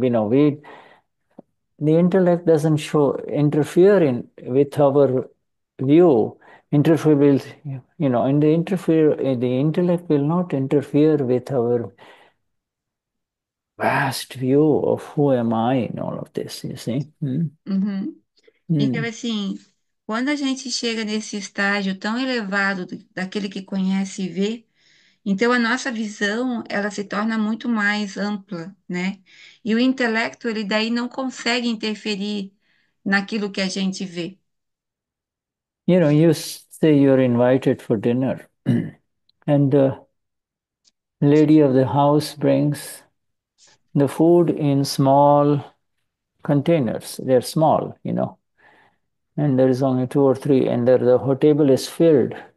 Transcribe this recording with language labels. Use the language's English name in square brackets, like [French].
[English] The intellect doesn't show interfere in with our view. Interfere will, and the interfere the intellect will not interfere with our vast view of who am I in all of this, you see? [Portuguese] Então, assim, quando a gente chega nesse estágio tão elevado daquele que conhece e vê, então a nossa visão, ela se torna muito mais ampla, né? E o intelecto, ele daí não consegue interferir naquilo que a gente vê. [English] You say you're invited for dinner, and the lady of the house brings the food in small containers. They're small, and there is only two or three, and the whole table is filled.